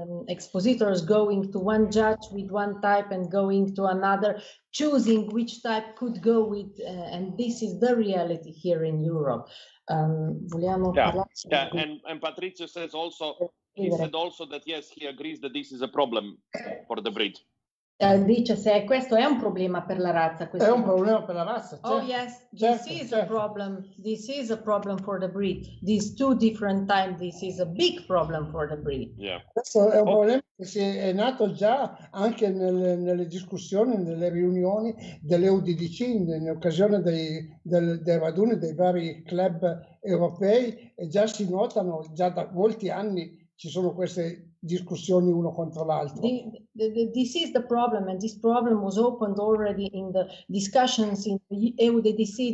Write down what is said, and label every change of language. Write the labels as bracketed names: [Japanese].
[English] expositors going to one judge with one type and going to another, choosing which type could go with, and this is the reality here in Europe. And Patrizio says also, he said also that yes, he agrees that this is a problem for the breed. [Italian] Dice se questo è un problema per la razza. È un problema per la razza. Certo. [English] Oh yes, this certo, is certo. A problem. This is a problem for the breed. These two different times, this is a big problem for the breed. Yeah. [Italian] Questo è un problema che si è nato già anche nelle discussioni, nelle riunioni delle UDDC, in occasione dei raduni dei vari club europei, e già si notano, già da molti anni ci sono queste discussioni uno contro l'altro. [English] This is the problem, and this problem was opened already in the discussions in the EUDDC.